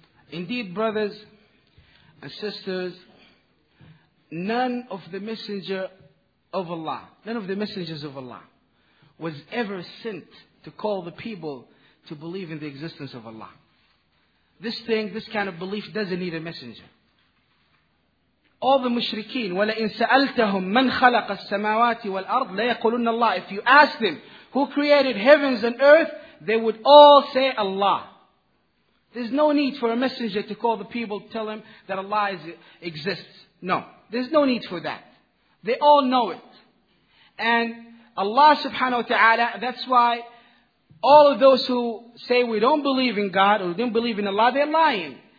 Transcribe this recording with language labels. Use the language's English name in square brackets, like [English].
[English] Indeed, brothers and sisters, none of the messenger of Allah, none of the messengers of Allah was ever sent to call the people to believe in the existence of Allah. This thing, this kind of belief doesn't need a messenger. All the mushrikeen, [Arabic] وَلَئِن سَأَلْتَهُمْ مَنْ خَلَقَ السَّمَاوَاتِ وَالْأَرْضِ لَيَقُلُنَّ اللَّهِ. [English] If you ask them, who created heavens and earth, they would all say Allah. There's no need for a messenger to call the people, to tell them that Allah exists. No. There's no need for that. They all know it. And Allah subhanahu wa ta'ala, that's why all of those who say we don't believe in God or don't believe in Allah, they're lying.